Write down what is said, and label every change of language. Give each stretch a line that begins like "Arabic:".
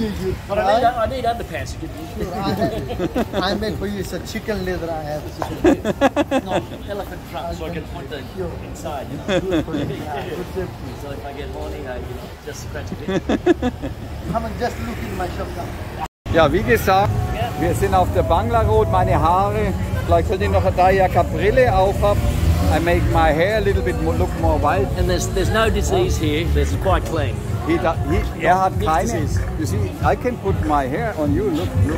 English: you but I need underpants. Sure, I make for you. It's a chicken leather I have. No, elephant trunk, so I can put the inside. You know, good for you. Yeah. So if I get horny, I just scratch it in. Come and just look in my shop now.
German: Ja, wie gesagt, wir sind auf der Bangla Road, meine Haare, vielleicht sollte ich noch eine Daya-Kaprille aufhaben.
English: I make my hair a little bit more, look more wild. And there's no disease here, this is quite clean.
German: Er hat keine, disease.
English: You see, I can put my hair on you, look.